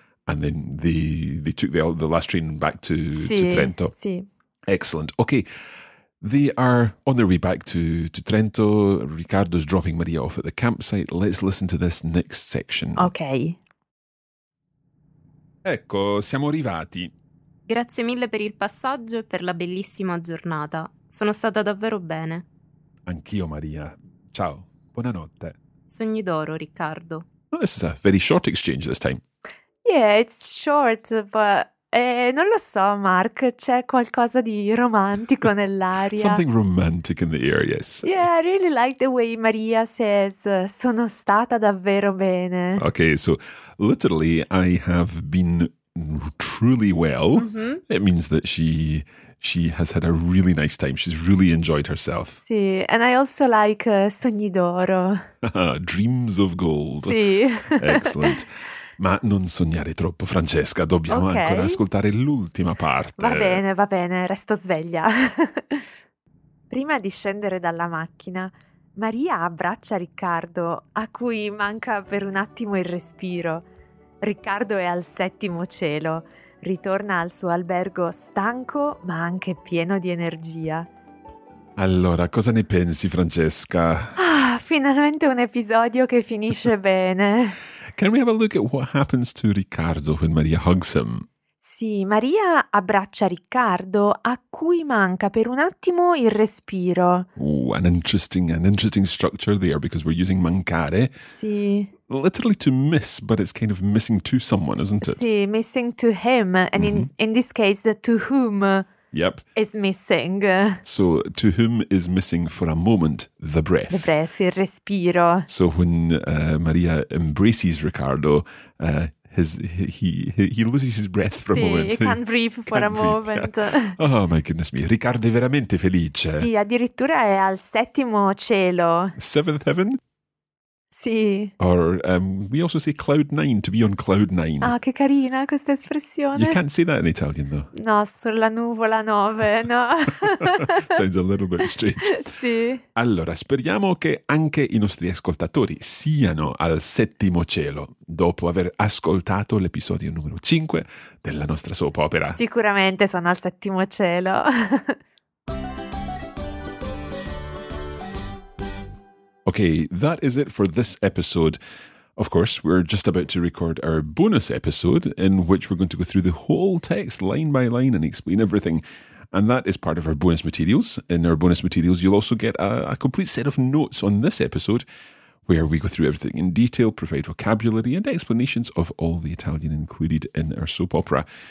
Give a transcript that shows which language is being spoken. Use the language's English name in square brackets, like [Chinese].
[English] And then they took the last train back to Trento. [Italian] Sì. [English] Excellent. Okay. They are on their way back to Trento. Riccardo's dropping Maria off at the campsite. Let's listen to this next section. Okay. [Italian] Ecco, siamo arrivati. Grazie mille per il passaggio e per la bellissima giornata. Sono stata davvero bene. Anch'io, Maria. Ciao. Buonanotte. Sogni d'oro, Riccardo. [English] Well, this is a very short exchange this time. Yeah, it's short, but... [Italian] non lo so, Mark, c'è qualcosa di romantico nell'aria. [English] Something romantic in the air, yes. Yeah, I really like the way Maria says, [Italian] sono stata davvero bene. [English] Okay, so literally, I have been truly well. Mm-hmm. It means that she has had a really nice time. She's really enjoyed herself. Sì, and I also like [Italian] sogni d'oro. [English] Dreams of gold. [Italian] Sì. [English] Excellent. [Italian] Ma non sognare troppo, Francesca. Dobbiamo okay. ancora ascoltare l'ultima parte. Va bene, resto sveglia. Prima di scendere dalla macchina, Maria abbraccia Riccardo, a cui manca per un attimo il respiro. Riccardo è al settimo cielo. Ritorna al suo albergo stanco, ma anche pieno di energia. Allora, cosa ne pensi, Francesca? Ah, finalmente un episodio che finisce bene. [English] Can we have a look at what happens to Riccardo when Maria hugs him? [Italian] Sì, Maria abbraccia Riccardo, a cui manca per un attimo il respiro. [English] Ooh, an interesting structure there, because we're using mancare. [Italian] Sì. [English] Literally to miss, but it's kind of missing to someone, isn't it? Sì, missing to him, and in this case, to whom... Yep. It's missing. So, to whom is missing for a moment the breath? The breath, [Italian] il respiro. [English] So, when Maria embraces Riccardo, he loses his breath for [Italian] sì, [English] a moment. He can't breathe for can't a moment. Oh, my goodness me. [Italian] Riccardo è veramente felice. Sì, addirittura è al settimo cielo. [English] Seventh heaven? [Italian] Sì. [English] Or we also say cloud nine, to be on cloud nine. [Italian] Ah, che carina questa espressione. [English] You can't say that in Italian, though. [Italian] No, sulla nuvola nove, no. [English] Sounds a little bit strange. [Italian] Sì. Allora, speriamo che anche i nostri ascoltatori siano al settimo cielo dopo aver ascoltato l'episodio numero 5 della nostra soap opera. Sicuramente sono al settimo cielo. [English] Okay, that is it for this episode. Of course, we're just about to record our bonus episode, in which we're going to go through the whole text line by line and explain everything. And that is part of our bonus materials. In our bonus materials, you'll also get a complete set of notes on this episode, where we go through everything in detail, provide vocabulary and explanations of all the Italian included in our soap opera.